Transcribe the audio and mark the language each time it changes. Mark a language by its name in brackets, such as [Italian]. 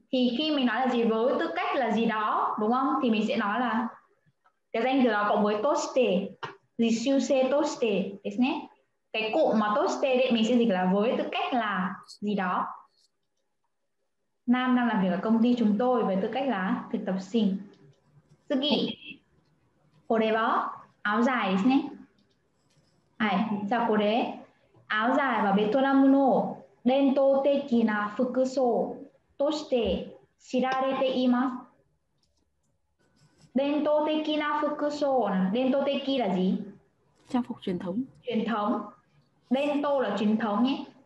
[Vietnamese] Thì khi mình nói là gì với tư cách là gì đó đúng không? Thì mình sẽ nói là cái danh từ đó cộng với [Japanese] として, [Vietnamese] jishu se として đấy nhé. Cái cụm mà として đấy mình sẽ dịch là với tư cách là gì đó. Nam đang làm việc ở công ty chúng tôi với tư cách là thực tập sinh. [Japanese] Tsugi. これは áo dài ですね。はい。じゃあこれ。 áo dài và ベトナムの伝統的な服装として知られています。伝統的な服装、伝統的は何？ [Vietnamese] Trang phục truyền thống. truyền thống。 [Japanese] 伝統は [Vietnamese] truyền thống nhé。